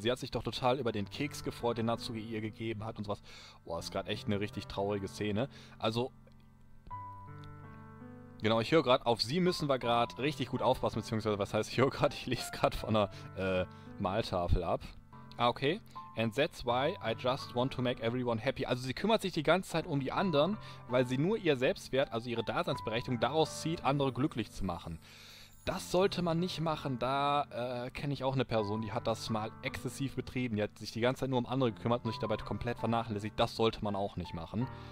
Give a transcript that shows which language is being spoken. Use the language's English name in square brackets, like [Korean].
[German] Sie hat sich doch total über den Keks gefreut, den Natsuki ihr gegeben hat und sowas. Boah, ist gerade echt eine richtig traurige Szene. Also, genau, ich höre gerade, auf sie müssen wir gerade richtig gut aufpassen, beziehungsweise, was heißt, ich höre gerade, ich lese gerade von einer Maltafel ab. Ah, okay. [English] And that's why I just want to make everyone happy. [German] Also sie kümmert sich die ganze Zeit um die anderen, weil sie nur ihr Selbstwert, also ihre Daseinsberechtigung, daraus zieht, andere glücklich zu machen. Das sollte man nicht machen. Da kenne ich auch eine Person, die hat das mal exzessiv betrieben. Die hat sich die ganze Zeit nur um andere gekümmert und sich dabei komplett vernachlässigt. Das sollte man auch nicht machen.